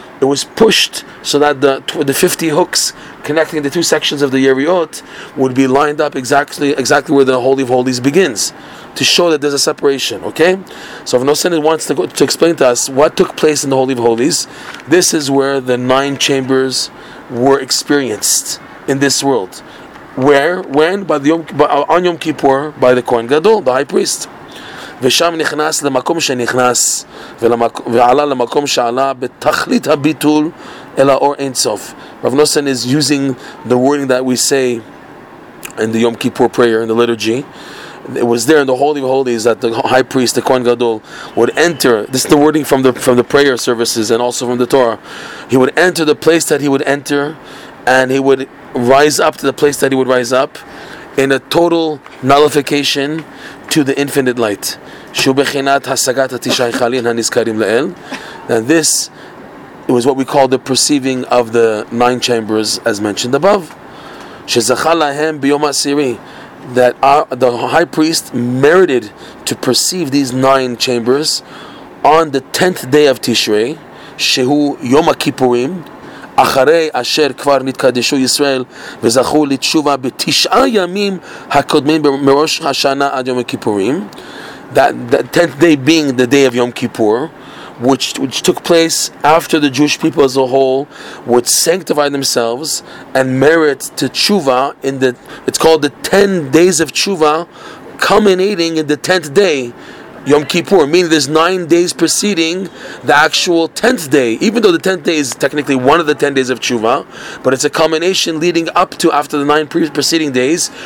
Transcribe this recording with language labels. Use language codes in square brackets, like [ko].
[en] it was pushed so that the 50 hooks connecting the two sections of the Yeriot would be lined up exactly where the Holy of Holies begins, to show that there's a separation. Okay, so if Nosen wants to explain to us what took place in the Holy of Holies, this is where the nine chambers were experienced in this world. Where? When? On Yom Kippur, by the Kohen Gadol, the High Priest. [he] ושם נכנס למקום שנכנס ועלה למקום שעלה בתכלית הביטול אל האור אינסוף. [en] Rav Nosen is using the wording that we say in the Yom Kippur prayer in the liturgy. It was there in the Holy of Holies that the High Priest, the Kohen Gadol, would enter. This is the wording from the prayer services and also from the Torah. He would enter the place that he would enter, and he would rise up to the place that he would rise up in a total nullification to the infinite light. [he] Shubechinat hasagat hatishai chalin haniskarim le'el. [en] And this was what we call the perceiving of the nine chambers as mentioned above. [he] Shezachal lahem biyom asiri. [en] That the high priest merited to perceive these nine chambers on the 10th day of Tishrei, [he] Shehu Yom HaKippurim, אחרי אשר כבר נתקדשו ישראל וזכו לתשובה בתשעה ימים הקודמים מראש השנה עד יום הכיפורים. [en] That tenth day being the day of Yom Kippur, which took place after the Jewish people as a whole would sanctify themselves and merit to tshuva in the, it's called the 10 days of tshuva, culminating in the 10th day, Yom Kippur, meaning there's 9 days preceding the actual 10th day, even though the 10th day is technically one of the 10 days of tshuva, but it's a culmination leading up to after the 9 preceding days.